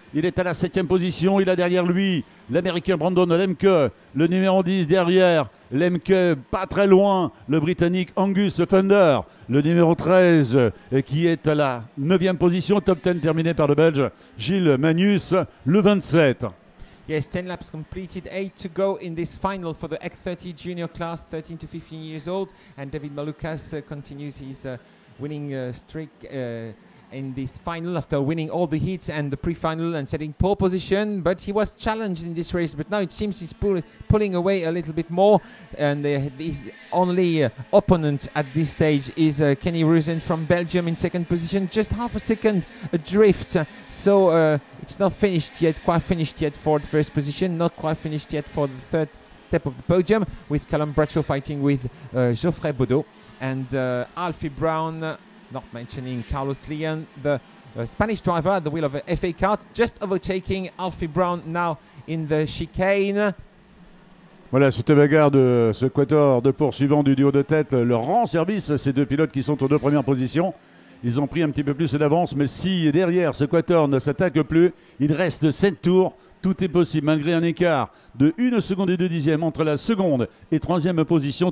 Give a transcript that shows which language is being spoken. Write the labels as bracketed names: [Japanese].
[French] Il est à la 7e position. Il a derrière lui l'Américain Brandon Lemke, le numéro 10 derrière. Lemke, pas très loin, le Britannique Angus Fender, le numéro 13, qui est à la 9e position. Top 10 terminé par le Belge Gilles Magnus, le 27. [English] Yes, 10 laps completed, 8 to go in this final for the EC30 junior class, 13 to 15 years old. And David Malukas continues his winning streak in this final after winning all the heats and the pre-final and setting pole position. But he was challenged in this race, but now it seems he's pulling away a little bit more, and his only opponent at this stage is Kenny Rosen from Belgium in second position, just half a second adrift. So it's not finished yet, quite finished yet for the first position, not quite finished yet for the third step of the podium, with Callum Bradshaw fighting with Geoffrey Bodeau. And Alfie Brown, not mentioning Carlos León, the Spanish driver at the wheel of an FA kart, just overtaking Alfie Brown now in the chicane. [French] Voilà, cette bagarre de ce quator de poursuivants du duo de tête leur rend service à ces deux pilotes qui sont aux deux premières positions. Ils ont pris un petit peu plus d'avance, mais si derrière ce quator ne s'attaque plus, il reste 7 tours. Tout est possible, malgré un écart de 1 seconde et 2 dixièmes entre la seconde et troisième position.